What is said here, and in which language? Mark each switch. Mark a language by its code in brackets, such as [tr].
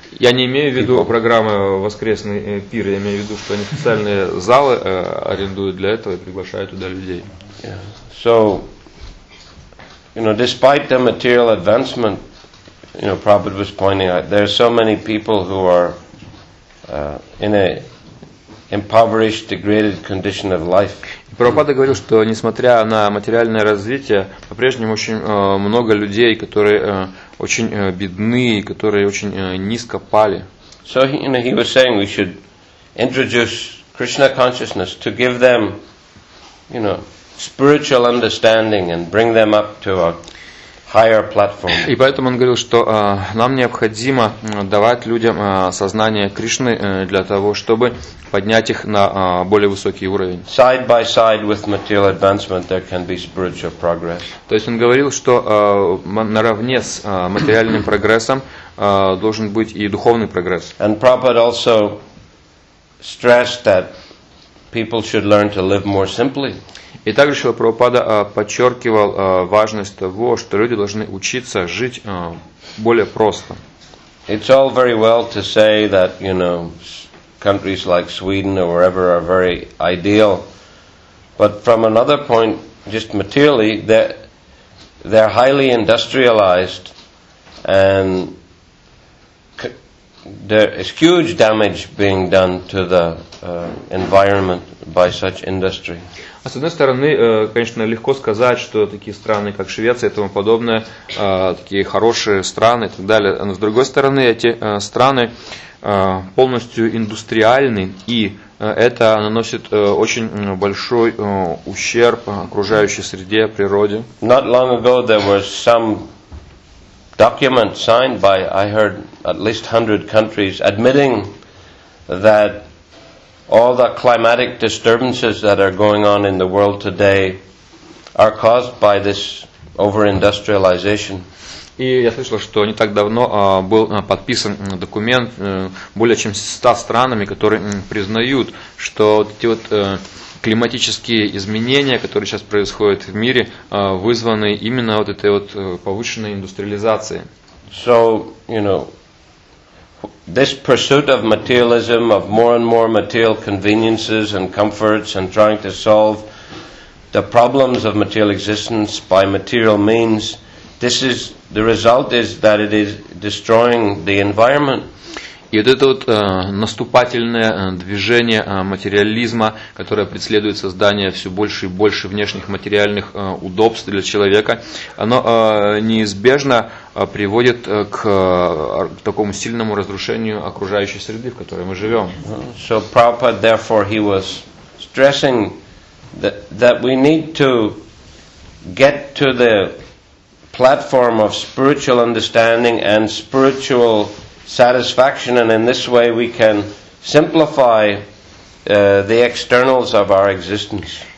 [ru] Я не имею в виду программы воскресный пир. Я имею в виду, что они специальные залы арендуют для этого и приглашают туда людей. [en] Yeah. So, you know, despite the material advancement, you know, Prabhupada was pointing out, there are so many people who are in a impoverished, degraded condition of life. [ru] Прабхупада говорил, что несмотря на материальное развитие, по-прежнему очень много людей, которые очень бедны, которые очень низко пали. [en] So, you know, he was saying we should introduce Krishna consciousness to give them, you know, spiritual understanding and bring them up to a higher platform. [ru] И поэтому он говорил, что нам необходимо давать людям сознание Кришны для того, чтобы поднять их на более высокий уровень. [en] Side by side with material advancement, there can be spiritual progress. [ru] То есть он говорил, что наравне с материальным прогрессом должен быть и духовный прогресс. [en] And Prabhupada also stressed that people should learn to live more simply. [ru] И также Шрила Прабхупада подчеркивал важность того, что люди должны учиться жить более просто. [en] It's all very well to say that, you know, countries like Sweden or wherever are very ideal. But from another point, just materially, they're highly industrialized, and there is huge damage being done to the environment by such industry. [ru] А с одной стороны, конечно, легко сказать, что такие страны, как Швеция и тому подобное, такие хорошие страны и так далее. Но с другой стороны, эти страны полностью индустриальны, и это наносит очень большой ущерб окружающей среде, природе. [en] Not long ago there was some document signed by, I heard, at least 100 countries admitting that all the climatic disturbances that are going on in the world today are caused by this over-industrialization. [ru] И я слышал, что не так давно был подписан документ более чем 100 странами, которые признают, что вот эти вот климатические изменения, которые сейчас происходят в мире, вызваны именно вот этой вот повышенной индустриализацией. [en] So, you know, this pursuit of materialism, of more and more material conveniences and comforts, and trying to solve the problems of material existence by material means, this is the result is that it is destroying the environment. [ru] И вот это вот наступательное движение материализма, которое преследует создание все больше и больше внешних материальных удобств для человека, оно неизбежно приводит к такому сильному разрушению окружающей среды, в которой мы живем. [en] So Prabhupada, therefore, he was stressing that we need to get to the platform of spiritual understanding and spiritual satisfaction, and in this way we can simplify the externals of our existence.